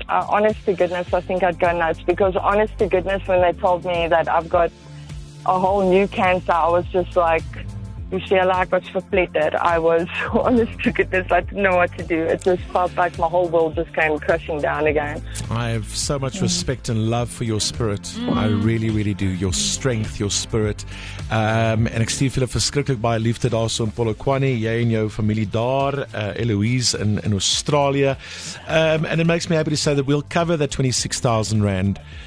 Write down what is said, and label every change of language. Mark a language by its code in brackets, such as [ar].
[en] Honest to goodness, I think I'd go nuts. Because honest to goodness, when they told me that I've got a whole new cancer, I was just like, you see, like, I was verpletterd. I was, honest to goodness, I didn't know what to do. It just felt like my whole world just came crushing down again. I have so much respect and love for your spirit. Mm. I really, really do. Your strength, your spirit. [af] En ek stuur vir julle verskriklik baie liefde daarso in Polokwane, jy en jou familie daar, Eloise in Australië. [en] And it makes me happy to say that we'll cover that 26,000 rand.